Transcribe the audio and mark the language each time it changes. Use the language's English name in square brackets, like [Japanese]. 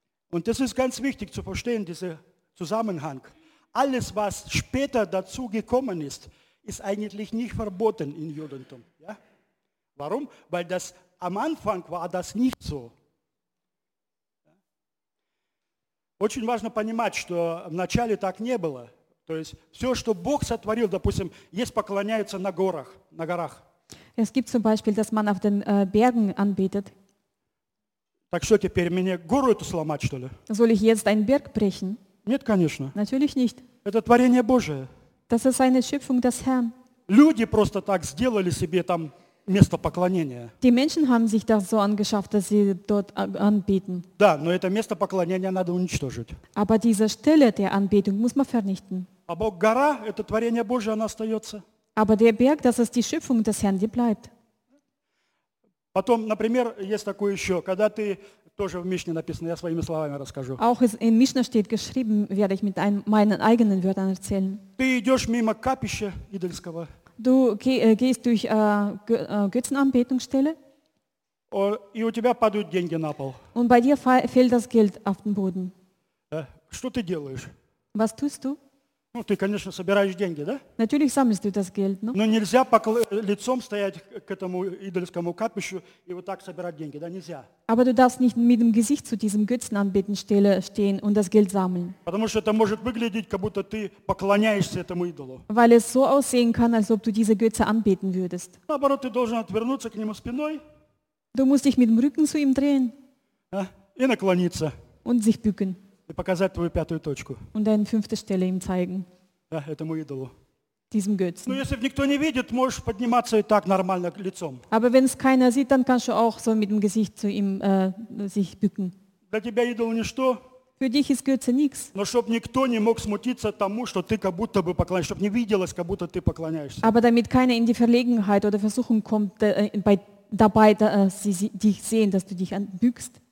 [German] Und das ist ganz wichtig zu verstehen, dieser Zusammenhang. Alles, was später dazu gekommen ist, ist eigentlich nicht verboten im Judentum. Ja? Warum? Weil das am Anfang war das nicht so. [Russian] Очень важно понимать, что вначале так не было. То есть все, что Бог сотворил, допустим, есть поклоняются на горах, на горах. [German] Es gibt zum Beispiel, dass man auf den Bergen anbetet. [Russian] Так что теперь мне гору эту сломать, что ли? [German] Soll ich jetzt einen Berg brechen? [Russian] Нет, конечно. [German] Natürlich nicht. [Russian] Это творение Божие. [German] Das ist eine Schöpfung des Herrn. [Russian] Люди просто так сделали себе там место поклонения. [German] Die Menschen haben sich das so angeschafft, dass sie dort anbeten. [Russian] Да, но это место поклонения надо уничтожить. [German] Aber diese Stelle der Anbetung muss man vernichten. [Russian] А Бог гора, это творение Божие, она остается. [German] Aber der Berg, das ist die Schöpfung des Herrn, die bleibt. [Russian] Потом, например, есть такое еще, когда ты тоже в Мишне написано, я своими словами расскажу. [German] Auch in Mishnah steht geschrieben, werde ich mit meinen eigenen Wörtern erzählen. [Russian] Ты идешь мимо капища идольского. [German] Du gehst durch Götzenanbetungsstelle und bei dir fällt das Geld auf den Boden. Was tust du? [Russian] Ну, ты, конечно, собираешь деньги, да? [German] Natürlich sammelst du das Geld, ne? [Russian] Но нельзя лицом стоять к этому идольскому капищу и вот так собирать деньги, да, нельзя. [German] Aber du darfst nicht mit dem Gesicht zu diesem Götzenanbetungsstelle stehen und das Geld sammeln. [Russian] Потому что это может выглядеть, как будто ты поклоняешься этому идолу. [German] Weil es so aussehen kann, als ob du diese Götze anbeten würdest. [Russian] Наоборот, ты должен отвернуться к нему спиной. [German] Du musst dich mit dem Rücken zu ihm drehen. [Russian] Ja? И наклониться. [German] Und sich bücken. [Russian] И показать твою пятую точку. [German] Und deine fünfte Stelle ihm zeigen. [Russian] Ja, этому идолу. [German] Diesem Götzen. [Russian] Ну, если никто не видит, можешь подниматься и так нормально лицом. [German] Aber wenn es keiner sieht, dann kannst du auch so mit dem Gesicht zu ihm sich bücken. [Russian] Для тебя идол ничто. [German] Für dich ist Götze nichts. [Russian] Но чтоб никто не мог смутиться тому, что ты как будто бы поклоняешься, чтоб не виделось, как будто ты поклоняешься. [German] Aber damit keiner in die Verlegenheit oder Versuchung kommt, dich sehen, dass du dich bückst.